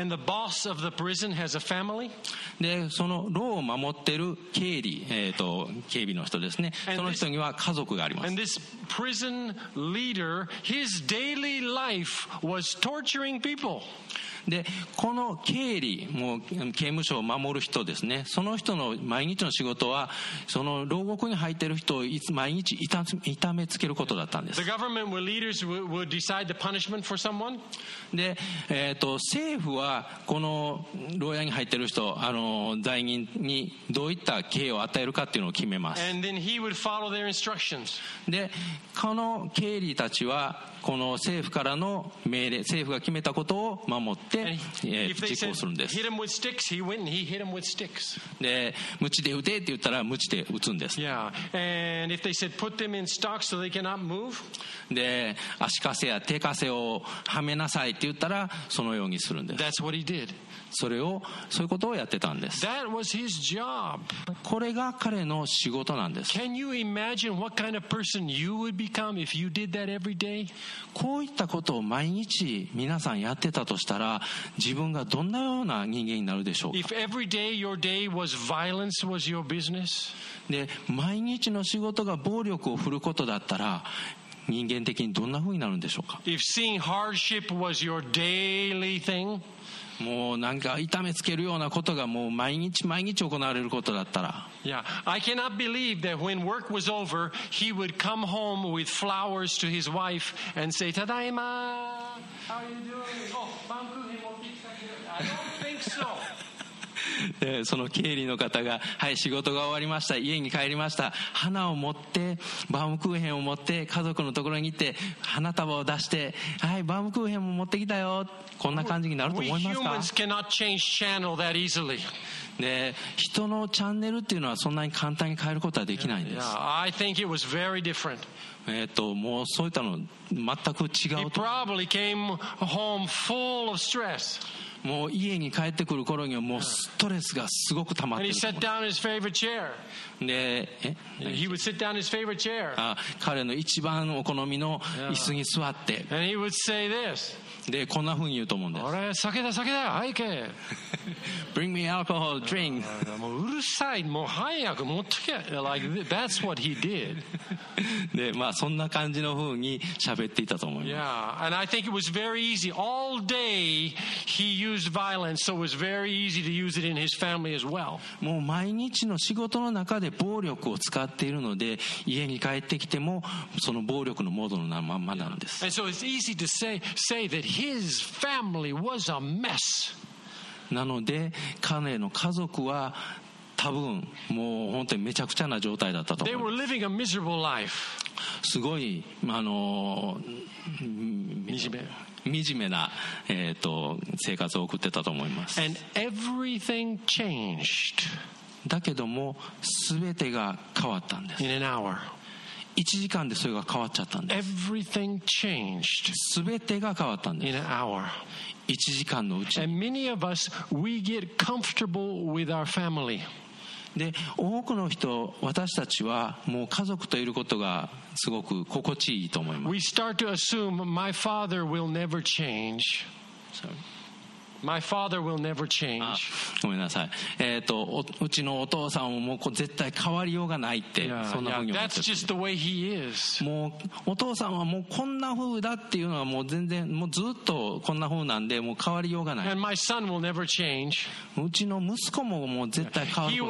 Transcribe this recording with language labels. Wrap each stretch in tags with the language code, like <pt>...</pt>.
<en>And the boss of the prison has a family.</en> <ja>で、その牢を守っている経理、警備の人ですね。その人には家族があります。</ja> <en>And this prison leader, his daily life was torturing people.</en> <ja>でこの経理も刑務所を守る人ですね、その人の毎日の仕事はその牢獄に入っている人をいつ毎日痛めつけることだったんです。</ja> <en>The government leaders would decide the punishment for someone.</en> <ja>で、政府はこの牢屋に入っている人、罪人にどういった刑を与えるかっていうのを決めます。</ja> <en>And then he would follow their instructions.</en> <ja>でこの経理たちはこの政府からの命令、政府が決めたことを守って実行するんです。</ja> <en>hit him with sticks, he went and he hit him with sticks.</en> <ja>で、鞭で打てって言ったら鞭で打つんです。</ja> <en>Yeah. And if they said put them in stocks so they cannot move.</en> <ja>で、足かせや手かせをはめなさいって言ったらそのようにするんです。</ja> <en>That's what he did.</en> <ja>そういうことをやってたんです。</ja> <en>That was his job.</en> <ja>これが彼の仕事なんです。</ja> <en>Can you imagine what kind of person you would become if you did that every day?</en> <ja>こういったことを毎日皆さんやってたとしたら、自分がどんなような人間になるでしょうか。</ja> <en>If every day your day was violence was your business.</en> <ja>で、毎日の仕事が暴力を振ることだったら、人間的にどんな風になるんでしょうか。</ja> <en>If seeing hardship was your daily thing、</en> <ja>もうなんか痛めつけるようなことがもう毎日毎日行われることだったら、</ja> <en>Yeah, I cannot believe that when work was over, he would come home with flowers to his wife and say,</en> <ja>ただいま。</ja> <en>How are you doing? Oh,</en> <ja>パンクーヘン持ってきたけど、</ja> <en>I don't think so.</en> <ja>でその経理の方が、はい、仕事が終わりました、家に帰りました、花を持ってバームクーヘンを持って家族のところに行って花束を出して、はい、バームクーヘンも持ってきたよ、こんな感じになると思いますか。</ja> <en>We humans cannot change channel that easily.</en> <ja>で人のチャンネルっていうのはそんなに簡単に変えることはできないんです。</ja> <en>yeah, yeah. I think it was very different.</en> <ja>もうそういったの全く違うと。</ja> <en>He probably came home full of stress.</en> <ja>もう家に帰ってくる頃にはもうストレスがすごく溜まってる。</ja> <en>And he sat down his favorite chair.</en> <ja>で、</ja> <en>he would sit down his favorite chair.</en> <ja>彼の一番お好みの椅子に座って。</ja> <en>And he would say this.</en> <ja>で、こんな風に言うと思うんです。俺、酒だ酒だ、はい、け。</ja> <en>Bring me alcohol, drink.</en> <ja>もううるさい、もう早く持ってけ。</ja> <en>Like, that's what he did.</en> <ja>で、まあそんな感じの風に喋っていたと思います。</ja> <en>Yeah, and I think it was very easy. All day heused violence, so it was very easy to use it in his family as well.</en> <ja>もう毎日の仕事の中で暴力を使っているので、家に帰ってきてもその暴力のモードのままなんです。</ja> <en>And so it's easy to say that his family was a mess.</en> <ja>なので彼の家族は多分もう本当にめちゃくちゃな状態だったと思う。</ja> <en>They were living a miserable life.</en> <ja>すごい、惨め。惨めな、生活を送ってたと思います。</ja> <en>And everything changed.</en> <ja>だけども全てが変わったんです。</ja> <en>In an hour.</en> <ja>1時間でそれが変わっちゃったんです。</ja> <en>Everything changed.</en> <ja>全てが変わったんです。</ja> <en>In an hour.</en> <ja>1時間のうちに。</ja> <en>And many of us, we get comfortable with our family.</en> <ja>で多くの人、私たちはもう家族といることがすごく心地いいと思います。</ja> <en>We start to assume my father will never change. My father will never change.</en> <ja>ごめんなさい。うちのお父さんはもう絶対変わりようがないって、そんなふうに思って</ja> <en>る。That's just the way he is.</en> <ja>もうお父さんはもうこんな風だっていうのはもう全然もうずっとこんな風なんで、もう変わりようがない。</ja> <en>And my son will never change.</en> <ja>うちの息子ももう絶対変わること</ja>